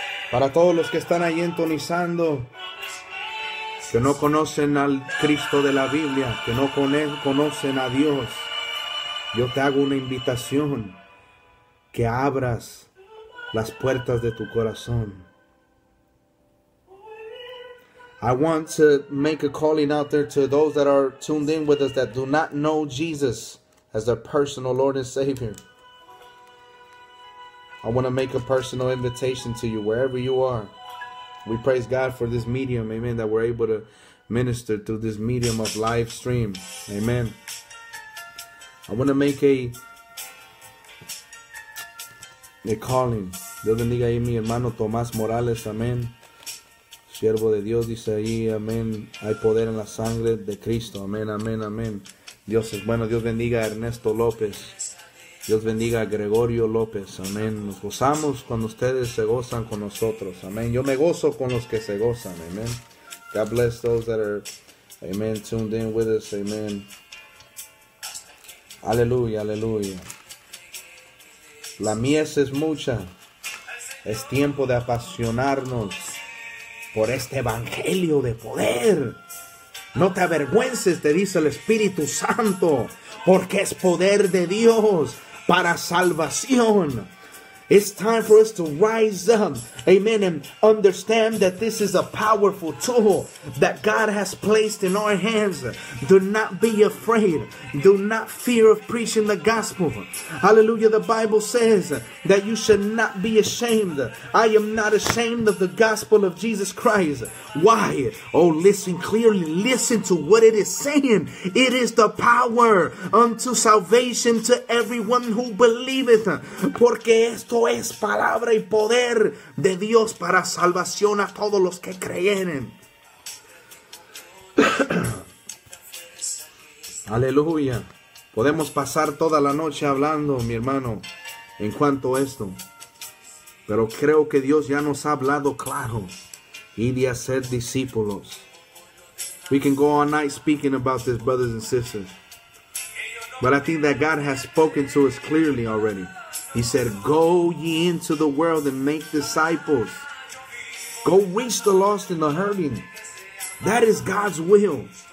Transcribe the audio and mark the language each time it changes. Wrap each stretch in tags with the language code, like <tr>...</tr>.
<es>Para todos los que están ahí entonizando, que no conocen al Cristo de la Biblia, que no conocen a Dios, yo te hago una invitación, que abras las puertas de tu corazón.</es> <en>I want to make a calling out there to those that are tuned in with us that do not know Jesus as their personal Lord and Savior. I want to make a personal invitation to you wherever you are. We praise God for this medium, amen, that we're able to minister through this medium of live stream, amen. I want to make a calling.</en> <es>Dios bendiga ahí mi hermano Tomás Morales, amen. Siervo de Dios, dice ahí, amen. Hay poder en la sangre de Cristo, amen, amen, amen. Dios es bueno. Dios bendiga a Ernesto López. Dios bendiga a Gregorio López. Amén. Nos gozamos cuando ustedes se gozan con nosotros. Amén. Yo me gozo con los que se gozan. Amén.</es> <en>God bless those that are, amen, tuned in with us.</en> <es>Amén. Aleluya, aleluya. La mies es mucha. Es tiempo de apasionarnos por este evangelio de poder. No te avergüences, te dice el Espíritu Santo, porque es poder de Dios. Para salvación.</es> <en>It's time for us to rise up, amen, and understand that this is a powerful tool that God has placed in our hands. Do not be afraid. Do not fear of preaching the gospel. Hallelujah. The Bible says that you should not be ashamed. I am not ashamed of the gospel of Jesus Christ. Why? Oh, listen clearly. Listen to what it is saying. It is the power unto salvation to everyone who believeth.</en> <es>Porque esto es palabra y poder de Dios para salvación a todos los que creyeren. Aleluya. Podemos pasar toda la noche hablando, mi hermano, en cuanto a esto. Pero creo que Dios ya nos ha hablado claro. Y de hacer discípulos.</es> <en>We can go all night speaking about this, brothers and sisters. But I think that God has spoken to us clearly already. He said, go ye into the world and make disciples. Go reach the lost and the hurting. That is God's will.</en>